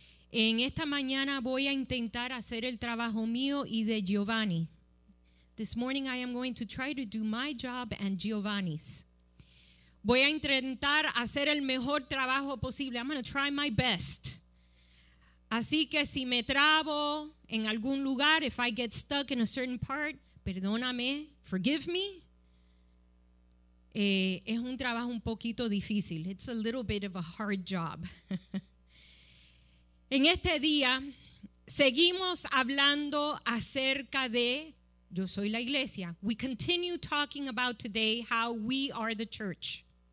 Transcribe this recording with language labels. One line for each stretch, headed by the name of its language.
Spanish: En esta mañana voy a intentar hacer el trabajo mío y de Giovanni.
English: This morning I am going to try to do my job and Giovanni's.
Spanish: Voy a intentar hacer el mejor trabajo posible.
English: I'm going to try my best.
Spanish: Así que si me trabo en algún lugar,
English: if I get stuck in a certain part,
Spanish: perdóname,
English: forgive me.
Spanish: Es un trabajo un poquito difícil.
English: It's a little bit of a hard job.
Spanish: En este día, seguimos hablando acerca de Yo Soy la Iglesia.
English: We continue talking about today how we are the church.